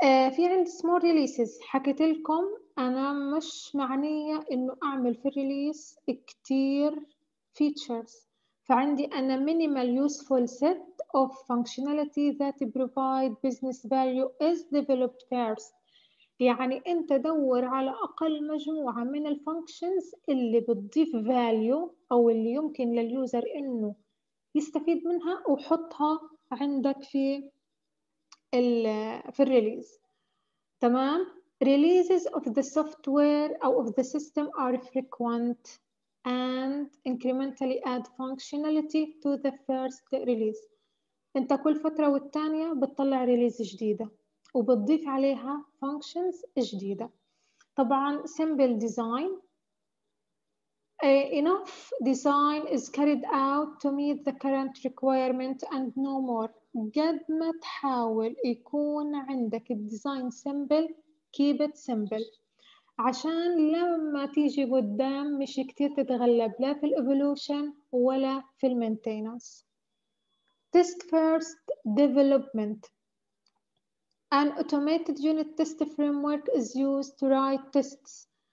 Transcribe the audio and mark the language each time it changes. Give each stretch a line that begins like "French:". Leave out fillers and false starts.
Arabic: في عندي سمول ريليسز، حكيت لكم أنا مش معنية إنه أعمل في الريليس كتير فيتشرز، فعندي أنا
English: minimal useful set of functionality that provide business value is developed first.
Arabic: يعني أنت دور على أقل مجموعة من الفانكشنز اللي بتضيف value أو اللي يمكن لليوزر إنه يستفيد منها وحطها عندك في الريليز. تمام.
English: Releases of the software or of the system are frequent and incrementally add functionality to the first release.
Arabic: أنت كل فترة والتانية بتطلع ريليز جديدة وبتضيف عليها functions جديدة. طبعاً
English: simple design. Enough design is carried out to meet the current requirement and no more.
Arabic: قد ما تحاول يكون عندك design simple،
English: keep it simple،
Arabic: عشان لما تيجي قدام مش كتير تتغلب لا في الإيفولوشن ولا في المينتيننس.
English: Test first development. An automated unit test framework is used to write tests